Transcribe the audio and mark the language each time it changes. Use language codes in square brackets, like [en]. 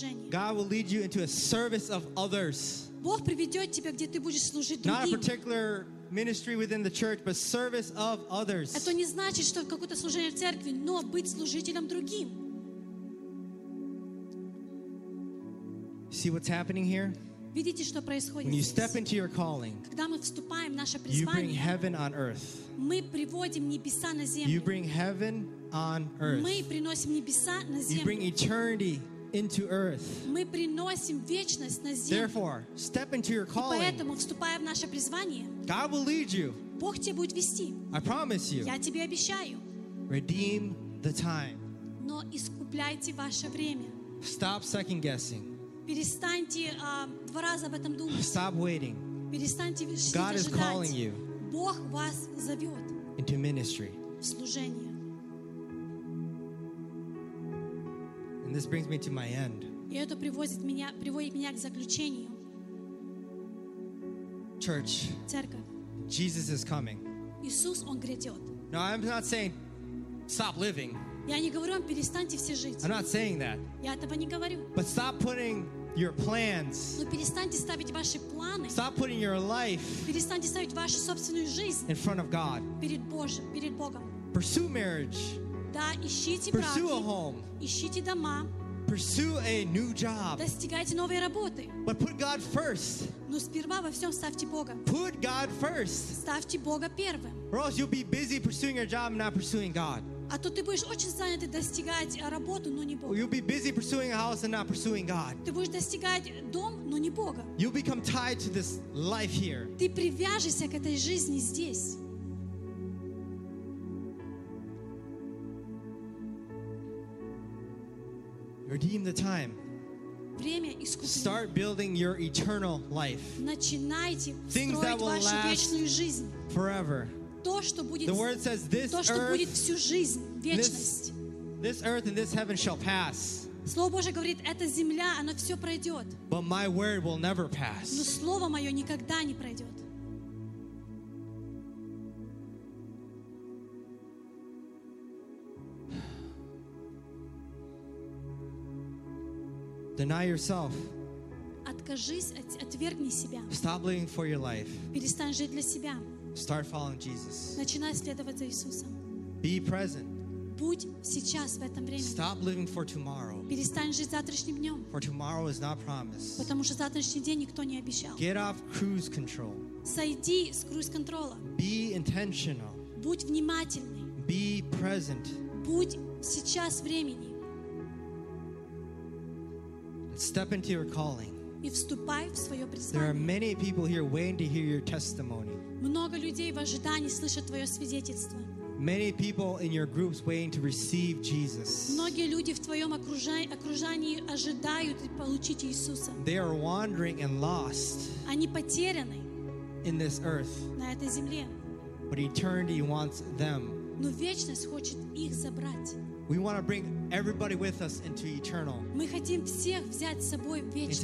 [en] God will lead you into a service of others. Not a particular ministry within the church, but service of others. [ru] Это не значит, что какое-то служение в церкви, но быть служителем другим. [en] See what's happening here? [ru] Видите, что происходит? [en] When you step into your calling, [ru] когда мы вступаем в наше призвание, [en] you bring heaven on earth. [ru] Мы приводим небеса на землю. [en] You bring heaven on earth. [ru] Мы приносим небеса на землю. [en] You bring eternity into earth. [ru] Мы приносим вечность на землю. [en] Therefore, step into your calling. [ru] Поэтому вступая в наше призвание, [en] God will lead you. [ru] Бог тебя будет вести. [en] I promise you. [ru] Я тебе обещаю. [en] Redeem the time. [ru] Но искупляйте ваше время. [en] Stop second guessing. [ru] Перестаньте два раза об этом думать. [en] Stop waiting. [ru] Перестаньте ждать. [en] God is calling you. [ru] Бог вас зовет. [en] Into ministry. [ru] В служение. [en] And this brings me to my end. [ru] И это приводит меня к заключению. [en] Church. [ru] Церковь. [en] Jesus is coming. [ru] Иисус, он грядет. [en] No, I'm not saying stop living. [ru] Я не говорю вам перестаньте все жить. [en] I'm not saying that. [ru] Я этого не говорю. [en] But stop putting your plans. [ru] Но перестаньте ставить ваши планы. [en] Stop putting your life. [ru] Перестаньте ставить вашу собственную жизнь. [en] In front of God. [ru] Перед Божьим, перед Богом. [en] Pursue marriage. [ru] Да, ищите браки. [en] Pursue a home. [ru] Ищите дома. [en] Pursue a new job. [ru] Достигайте новой работы. [en] But put God first. [ru] Но сперва во всем ставьте Бога. [en] Put God first. [ru] Ставьте Бога первым. [en] Or else you'll be busy pursuing your job and not pursuing God. [ru] А то ты будешь очень занят достигать работу, но не Бога. [en] You'll be busy pursuing a house and not pursuing God. [ru] Ты будешь достигать дом, но не Бога. [en] You'll become tied to this life here. [ru] Ты привяжешься к этой жизни здесь. [en] Redeem the time. [ru] Время искупления. [en] Start building your eternal life. [ru] Начинайте [en] Things [ru] строить [en] that will [ru] вашу вечную жизнь. [en] Forever. [ru] То, что будет, [en] the word says, this [ru] то, что [en] earth, [ru] будет всю жизнь, вечность. [en] This earth and this heaven shall pass. [ru] Слово Божие говорит, эта земля, она все пройдет. [en] But my word will never pass. [ru] Но слово мое никогда не пройдет. [en] Deny yourself. [ru] Откажись, отвергни себя. [en] Stop living for your life. [ru] Перестань жить для себя. [en] Start following Jesus. [ru] Начинай следовать за Иисусом. [en] Be present. [ru] Будь сейчас в этом времени. [en] Stop living for tomorrow. [ru] Перестань жить завтрашним днем. [en] For tomorrow is not promised. [ru] Потому что завтрашний день никто не обещал. [en] Get off cruise control. [ru] Сойди с круиз-контрола. [en] Be intentional. [ru] Будь внимательный. [en] Be present. [ru] Будь сейчас времени. [en] Step into your calling. [ru] И вступай в свое призвание. [en] There are many people here waiting to hear your testimony. [ru] Много людей в ожидании слышать твое свидетельство. [en] Many people in your groups waiting to receive Jesus. [ru] Многие люди в твоем окружении ожидают получить Иисуса. [en] They are wandering and lost. [ru] Они потеряны. [en] In this earth. [ru] На этой земле. [en] But eternity wants them. [ru] Но вечность хочет их забрать. [en] We want to bring everybody with us into eternal. [ru] Мы хотим всех взять с собой в вечность.